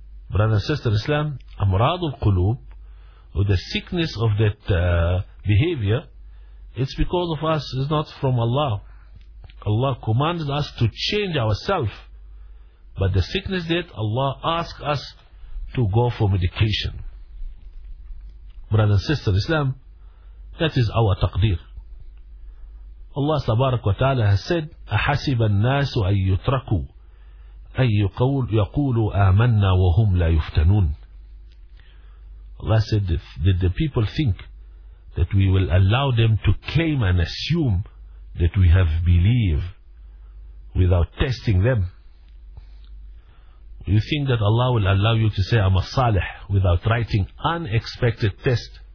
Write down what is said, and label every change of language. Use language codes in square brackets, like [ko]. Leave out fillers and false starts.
[en] Brother and sister Islam, amradul qulub, or the sickness of that behavior, it's because of us, it's not from Allah. Allah commanded us to change ourselves. But the sickness that Allah asked us to go for medication. Brother and sister Islam, that is our taqdeer. Allah subhanahu wa ta'ala has said, [ar] أَحَسِبَ النَّاسُ أَن يُتْرَكُوا أَن يَقُولُوا آمَنَّا وَهُمْ لَا يُفْتَنُونَ. [en] Allah said, did the people think that we will allow them to claim and assume that we have believed without testing them? You think that Allah will allow you to say I'm a salih without writing unexpected test?